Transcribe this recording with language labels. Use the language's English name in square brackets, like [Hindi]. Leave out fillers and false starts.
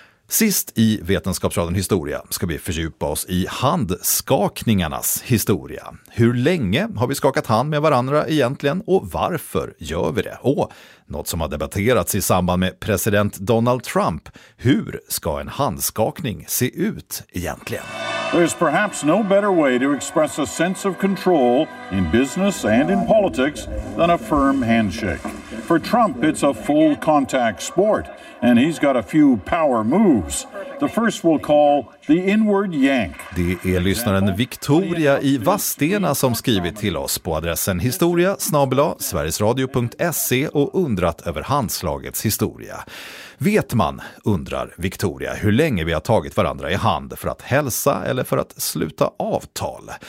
[Swedish] Sist i Vetenskapsraden Historia ska vi fördjupa oss i handskakningarnas historia. Hur länge har vi skakat hand med varandra egentligen och varför gör vi det? Och något som har debatterats i samband med president Donald Trump. Hur ska en handskakning se ut egentligen? [English] There's perhaps no better way to express a sense of control in business and in politics than a firm handshake. For Trump, it's a full contact sport, and he's got a few power moves. The first we'll call the inward yank. [Swedish] Det är lyssnaren Victoria i Vastena som skrivit till oss på adressen historia@sverigesradio.se och undrat över handslagets historia. Vet man, undrar Victoria, hur länge vi har tagit varandra i hand för att hälsa eller för att sluta avtal?